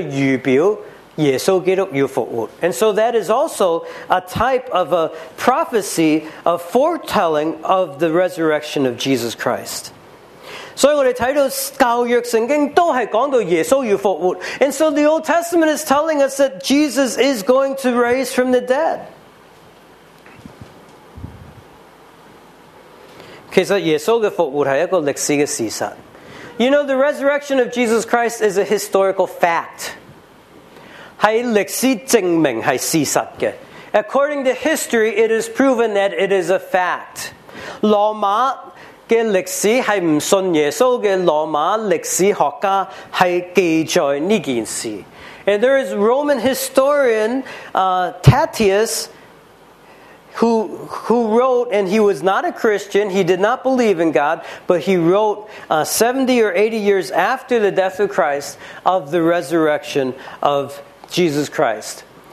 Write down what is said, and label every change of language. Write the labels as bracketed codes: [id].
[yue] 也都是一个预表,耶稣基督要复活。 [en] And so that is also a type of a prophecy, a foretelling of the resurrection of Jesus Christ. [yue] 所以我们看到教约圣经都是讲到耶稣要复活, [en] and so the Old Testament is telling us that Jesus is going to raise from the dead. [yue] 其实耶稣的复活是一个历史的事实。 [en] You know, the resurrection of Jesus Christ is a historical fact. [yue] 是历史证明是事实的。 [en] According to history, it is proven that it is a fact. [yue] 罗马 的历史是不信耶稣的罗马历史学家是记载这件事, [en] and there is Roman historian Tatius who wrote, and he was not a Christian, he did not believe in God, but he wrote 70 or 80 years after the death of Christ of the resurrection of Jesus Christ.